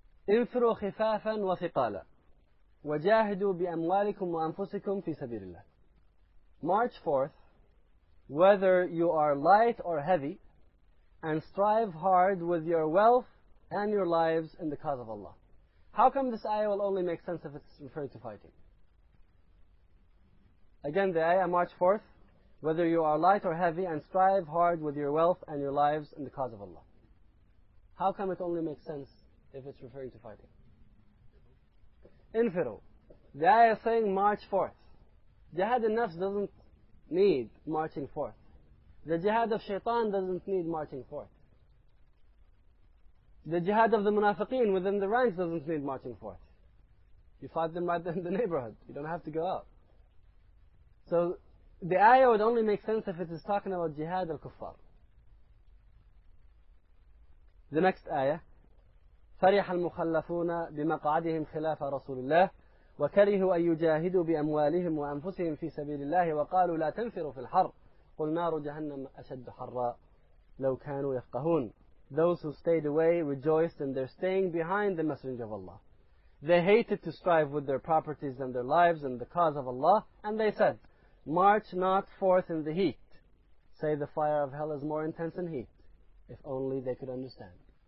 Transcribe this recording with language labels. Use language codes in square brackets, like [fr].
[ar] انفروا خفافا وثقالا وجاهدوا بأموالكم وأنفسكم في سبيل الله. [en] March forth, whether you are light or heavy, and strive hard with your wealth and your lives in the cause of Allah. How come this ayah will only make sense if it's referring to fighting? Again, the ayah, March 4th. Whether you are light or heavy, and strive hard with your wealth and your lives in the cause of Allah. How come it only makes sense if it's referring to fighting? Infiru. The ayah is saying march forth. Jihad an-nafs doesn't need marching forth. The jihad of shaitan doesn't need marching forth. The jihad of the munafiqeen within the ranks doesn't need marching forth. You fight them right in the neighborhood. You don't have to go out. So the ayah would only make sense if it is talking about jihad al-kuffar. The next ayah, [ar] فَرِحَ الْمُخَلَّفُونَ بِمَقْعَدِهِمْ خِلَافَ رَسُولِ اللَّهِ وَكَرِهُوا أَن يُجَاهِدُوا بِأَمْوَالِهِمْ وَأَنفُسِهِمْ فِي سَبِيلِ اللَّهِ وَقَالُوا لَا تَنْفِرُوا فِي الْحَرِّ قل نار جهنم أشد حرا لو كانوا يفقهون. [en] Those who stayed away rejoiced in their staying behind the Messenger of Allah. They hated to strive with their properties and their lives and the cause of Allah, and they said, march not forth in the heat. Say the fire of hell is more intense than heat. If only they could understand.